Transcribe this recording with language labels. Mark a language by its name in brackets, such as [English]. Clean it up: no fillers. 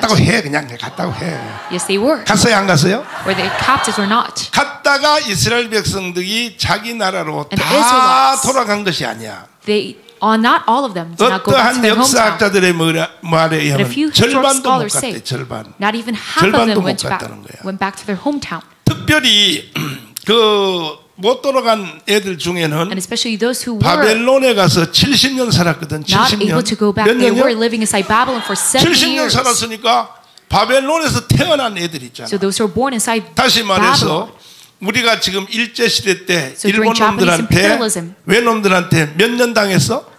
[Korean] 갔다고 해 그냥 갔다고 해. [English] Yes, they were. [Korean] 갔어요 안 갔어요? [English] Were they captives or not? [Korean] 갔다가 이스라엘 백성들이 자기 나라로 다 돌아간 것이 아니야. [English] They or not all of them did not go back to their hometown. [Korean] 어떤 역사학자들의 말에 의하면 절반도 못 갔대, 절반. [English] Not even half of them went back to their hometown. [Korean] 특별히 그 못 돌아간 애들 중에는 [English] and especially those who were [Korean] 바벨론에 가서 70년 살았거든, 70년. [English] Not able to go back. They were living inside Babylon for 70 years. [Korean] 70년 살았으니까 바벨론에서 태어난 애들 있잖아. [English] So those who were born inside Babylon. [Korean] 다시 말해서 우리가 지금 일제 시대 때 일본 놈들한테 왜 놈들한테 몇 년 당했어?